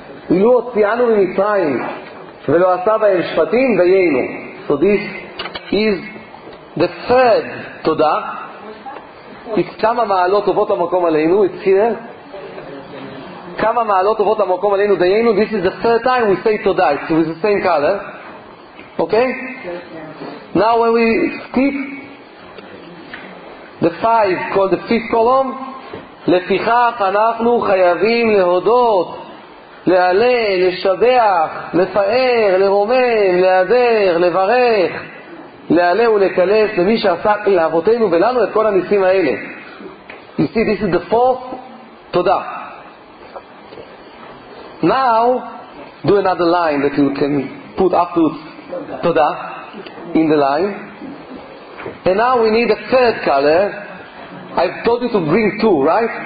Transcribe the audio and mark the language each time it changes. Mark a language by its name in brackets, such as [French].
[Hebrew] Ilu otzianu ממצרים ולא עשה בהם שפטים ויינו. [English] So this is the third Todah. It's [Hebrew] kama ma'alot tovot ha-makom aleinu. [English] It's here. [Hebrew] Kama ma'alot tovot ha-makom aleinu ויינו. [English] This is the third time we say Todah. It's with the same color. Okay? Now when we skip the five, called the fifth column, [Hebrew] לפיכך אנחנו חייבים להודות, להעלה, לשבח, לפאר, לרומם, להדר, לברך, להעלה ולקלס למי שעסק לאבותינו ולנו את כל הניסים האלה. [English] You see, this is the fourth. תודה. Now, do another line that you can put afterwards. תודה. In the line. And now we need a third color. I told you to bring two, right?